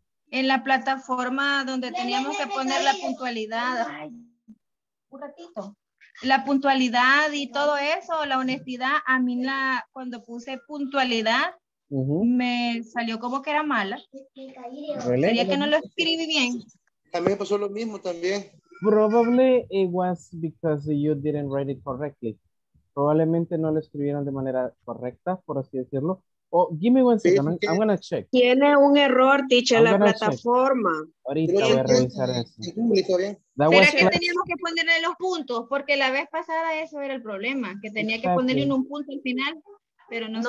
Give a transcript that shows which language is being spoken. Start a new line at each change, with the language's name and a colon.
Spanish: En la plataforma donde teníamos que poner la puntualidad. Ay, un ratito. La puntualidad y todo eso, la honestidad, a mí la cuando puse puntualidad, me salió como que era mala.
English: ¿Really?
Spanish: Sería que no lo escribí bien. También pasó lo mismo también.
English: Probably it was because you didn't write it correctly.
Spanish: Probablemente no lo escribieron de manera correcta, por así decirlo.
English: Oh, give me 1 second. I'm going to check.
Spanish: Tiene un error, teacher, la plataforma. Ahorita voy a revisar eso. ¿Será que teníamos que ponerle los puntos? Porque la vez pasada eso era el problema, que tenía que ponerle un punto al final, pero no sé.